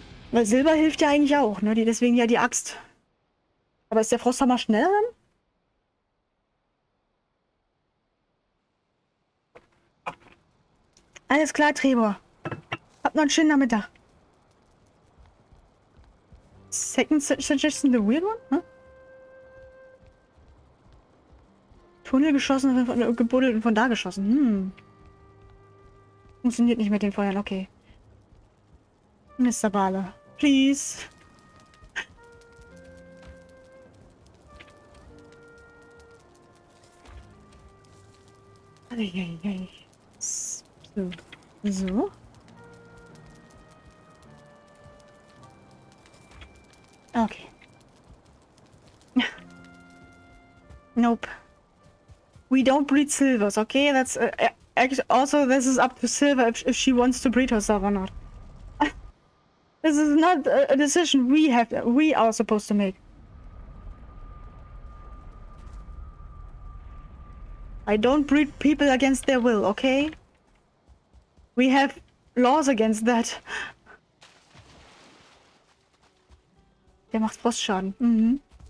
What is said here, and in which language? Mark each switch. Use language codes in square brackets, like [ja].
[de] Weil Silber hilft ja eigentlich auch, ne? Deswegen ja die Axt. Aber ist der Frosthammer schneller dann? Alles klar, Trevor. Habt noch einen schönen Nachmittag. [en] Second suggestion, the weird one? Huh? [de] Tunnel geschossen, gebuddelt und von da geschossen. Hm. Funktioniert nicht mit den Feuern, okay. [en] Mr. Bale, please. Eieiei. So. So. Nope. We don't breed silvers, okay? That's also this is up to Silver if she wants to breed herself or not. This is not a decision we are supposed to make. I don't breed people against their will, okay? We have laws against that. [de] Der macht Frostschaden. Mhm.